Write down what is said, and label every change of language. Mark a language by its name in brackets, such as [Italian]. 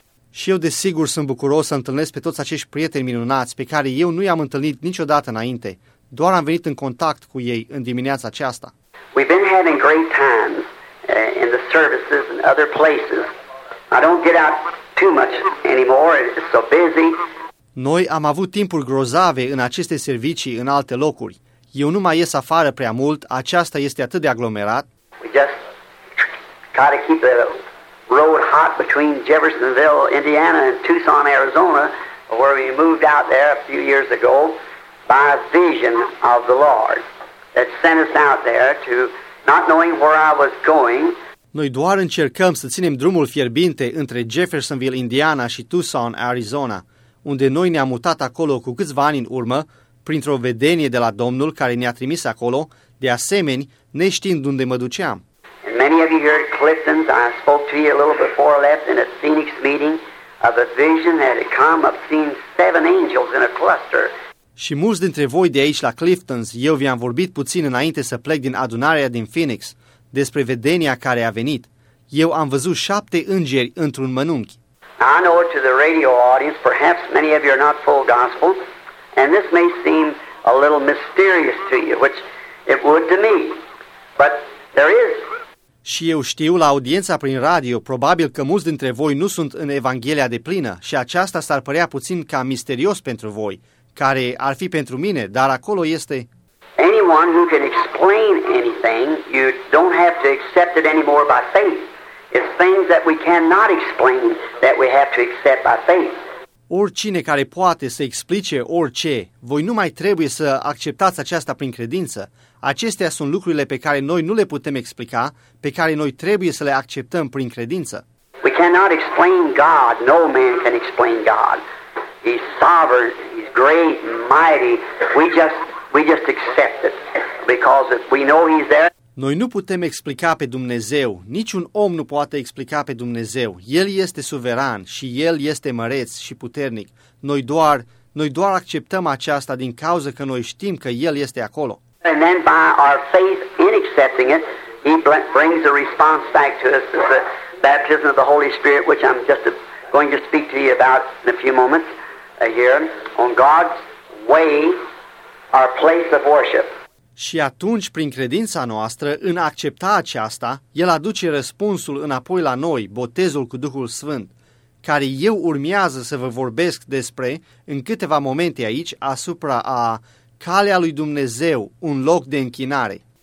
[Romanian] Și eu desigur sunt bucuros să întâlnesc pe toți acești prieteni minunați pe care eu nu i-am întâlnit niciodată înainte. Doar am venit în contact cu ei în dimineața aceasta. [English] We've been having great times in the services and other places. I don't get out too much anymore, it's so busy. [Romanian] Noi am avut timpuri grozave în aceste servicii în alte locuri. Eu nu mai ies afară prea mult, aceasta este atât de aglomerat. [English] We just try to keep the road hot between Jeffersonville, Indiana and Tucson, Arizona, where we moved out there a few years ago by a vision of the Lord that sent us out there to not knowing where I was going. [Romanian] Noi doar încercăm să ținem drumul fierbinte între Jeffersonville, Indiana și Tucson, Arizona, unde noi ne-am mutat acolo cu câțiva ani în urmă, printr-o vedenie de la Domnul care ne-a trimis acolo, de asemenea, neștiind unde mă duceam. [English] And many of you heard Clifton's, I spoke to you a little before left in a Phoenix meeting of a vision that had come of seeing seven angels in a cluster. [Romanian] Și mulți dintre voi de aici la Clifton's, eu vi-am vorbit puțin înainte să plec din adunarea din Phoenix, despre vedenia care a venit. Eu am văzut șapte îngeri într-un mănunchi. [English] I know to the radio audience, perhaps many of you are not full gospel, and this may seem a little mysterious to you, which it would to me, but there is. [Romanian] Și eu știu, la audiența prin radio, probabil că mulți dintre voi nu sunt în Evanghelia de plină și aceasta s-ar părea puțin cam misterios pentru voi, care ar fi pentru mine, dar acolo este. [English] Anyone who can explain anything, you don't have to accept it anymore by faith. It's things that we cannot explain that we have to accept by faith. [Romanian] Oricine care poate să explice orice, voi nu mai trebuie să acceptați aceasta prin credință. Acestea sunt lucrurile pe care noi nu le putem explica, pe care noi trebuie să le acceptăm prin credință. [English] We cannot explain God. No man can explain God. He's sovereign, he's great, mighty. We just accept it because we know he's there. [Romanian] Noi nu putem explica pe Dumnezeu, niciun om nu poate explica pe Dumnezeu. El este suveran și El este măreț și puternic. Noi doar acceptăm aceasta din cauza că noi știm că El este acolo. [English] And then by our faith in accepting it, he brings a response back to us as the baptism of the Holy Spirit, which I'm just going to speak to you about in a few moments here, on God's way, our place of worship. [Romanian] Și atunci, prin credința noastră, în a accepta aceasta, El aduce răspunsul înapoi la noi, botezul cu Duhul Sfânt, care eu urmează să vă vorbesc despre, în câteva momente aici, asupra a calea lui Dumnezeu, un loc de închinare.